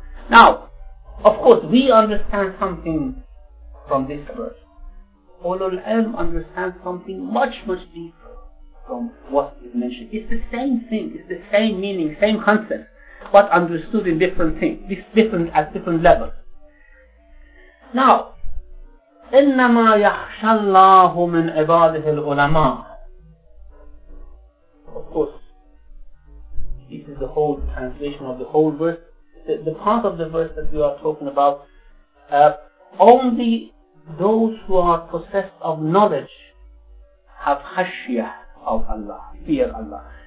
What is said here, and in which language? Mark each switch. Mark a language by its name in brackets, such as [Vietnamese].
[English] Now, of course, we understand something from this verse. Ulul Ilm understands something much, much deeper from what is mentioned. It's the same thing, it's the same meaning, same concept, but understood in different things, different at different levels. Now, [Arabic] إِنَّمَا يَخْشَى اللَّهُ مِنْ عِبَادِهِ الْعُلَمَاءِ. [English] Of course, this is the whole translation of the whole verse. The part of the verse that we are talking about, only those who are possessed of knowledge have khashya of Allah, fear Allah.